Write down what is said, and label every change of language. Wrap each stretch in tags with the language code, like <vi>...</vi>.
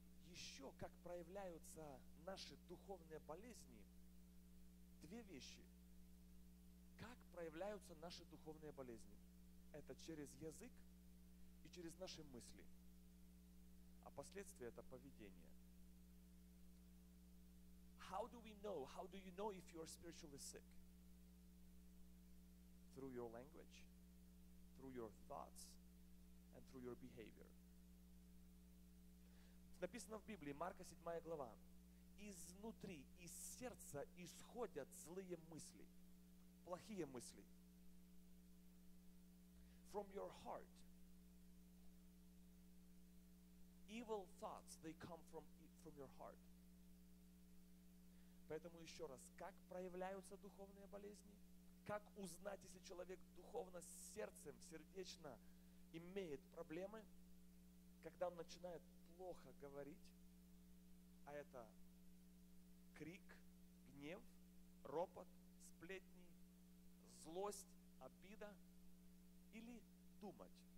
<ru>Еще как проявляются наши духовные болезни? Две вещи. Как проявляются наши духовные болезни? Это через язык и через наши мысли. А последствия — это поведение.</ru> <en>How do we know? How do you know if you are spiritually sick? Through your language, through your thoughts, and through your behavior.</en> <ru>Написано в Библии, Марка 7 глава, изнутри, из сердца исходят злые мысли, плохие мысли.</ru> <en>From your heart, evil thoughts, they come from your heart.</en> <ru>Поэтому еще раз, как проявляются духовные болезни? Как узнать, если человек духовно, с сердцем, сердечно имеет проблемы, когда он начинает плохо говорить, а это крик, гнев, ропот, сплетни, злость, обида, или думать.</ru>